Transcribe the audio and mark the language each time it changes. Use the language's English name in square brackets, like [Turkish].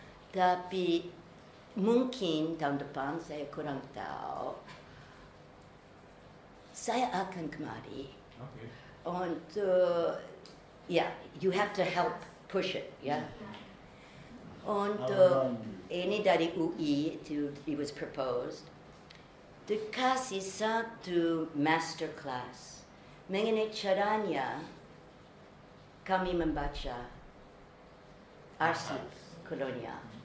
[Indonesian] Tapi mungkin tahun depan saya kurang tahu. Saya akan kemari. [English] Okay. Untuk, yeah, you have to help push it, yeah. [Indonesian] Untuk ini dari UI, [English] it was proposed. [Indonesian] Dikasih satu master class mengenai caranya kami membaca arsip kolonial.